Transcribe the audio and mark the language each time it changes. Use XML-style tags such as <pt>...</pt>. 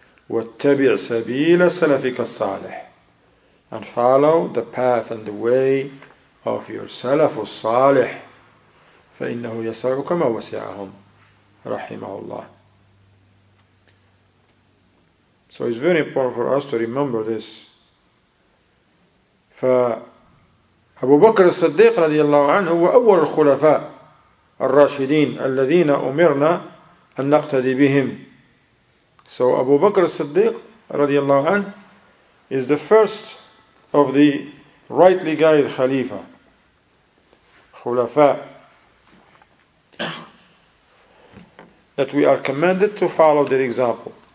<ar>وَاتَّبِعْ سَبِيلَ سَلَفِكَ الصَّالِحِ</ar> <en>And follow the path and the way of your Salaf الصالح.</en> <ar>فَإِنَّهُ يَسَعُكَ مَا وَسِعَهُمْ رَحِمَهُ اللَّهِ</ar> <en>So it's very important for us to remember this.</en> <ar>فأبو بكر الصديق رضي الله عنه هو أول الخلفاء الراشدين الذين أمرنا أن نقتدي بهم.</ar> <en>So Abu Bakr as-Siddiq radiallahu anhu is the first of the rightly guided Khalifa, Khulafa, that we are commanded to follow their example.</en>